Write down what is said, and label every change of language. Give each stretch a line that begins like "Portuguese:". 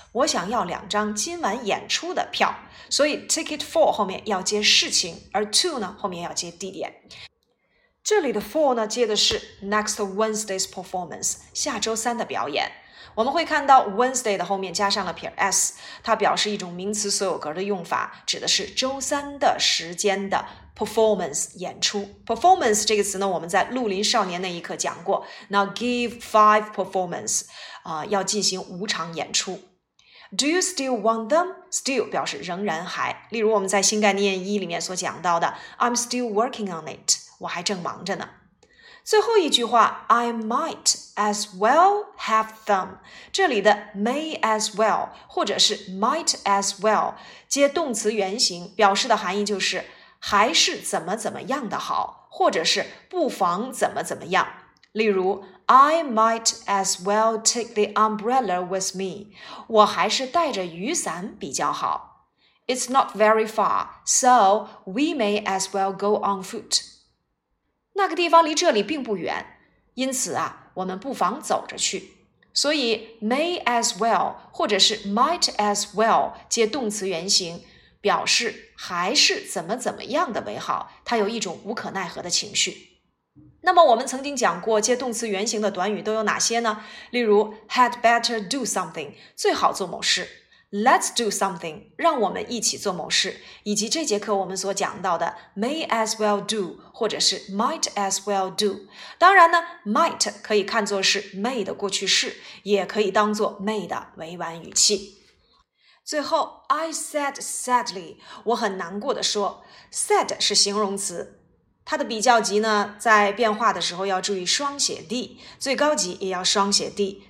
Chinese: 我想要两张今晚演出的票。所以 ticket for 后面要接事情，而 to 呢后面要接地点。这里的 for 呢接的是 next Wednesday's performance， 下周三的表演。我们会看到 Wednesday 的后面加上了撇 s， 它表示一种名词所有格的用法，指的是周三的时间的 performance 演出。 performance 这个词呢，我们在《鹿林少年》那一课讲过。
English: Now give five performance， 要进行五场演出。 Do you still want them?
Chinese: Still 表示仍然还。例如我们在《新概念一》里面所讲到的 ，
English: I'm still working on it，
Chinese: 我还正忙着呢。最后一句话
English: ，I might as well have them。
Chinese: 这里的 may as well 或者是 might as well 接动词原形，表示的含义就是还是怎么怎么样的好，或者是不妨怎么怎么样。
English: 例如 ，I might as well take the umbrella with me。
Chinese: 我还是带着雨伞比较好。
English: It's not very far, so we may as well go on foot。
Chinese: 那个地方离这里并不远，因此啊，我们不妨走着去。所以 may as well 或者是 might as well 接动词原形，表示还是怎么怎么样的为好，它有一种无可奈何的情绪。那么我们曾经讲过接动词原形的短语都有哪些呢？
English: 例如 had better do something，
Chinese: 最好做某事。
English: Let's do something，
Chinese: 让我们一起做某事，以及这节课我们所讲到的 may as well do， 或者是 might as well do。当然呢 ，might 可以看作是 may 的过去式，也可以当作 may 的委婉语气。最后 ，
English: I said sadly，
Chinese: 我很难过的说 ，sad 是形容词，它的比较级呢，在变化的时候要注意双写 d， 最高级也要双写 d。